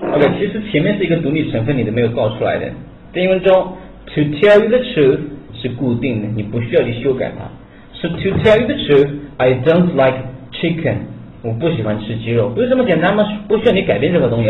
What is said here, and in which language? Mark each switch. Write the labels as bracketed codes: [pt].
[zh] Okay, 其实前面是一个独立成分，你都没有告出来的。在英文中 ，to tell you the truth 是固定的，你不需要去修改它。 [en] So to tell you the truth, I don't like chicken. [zh] 我不喜欢吃鸡肉，不是这么简单吗？不需要你改变任何东西。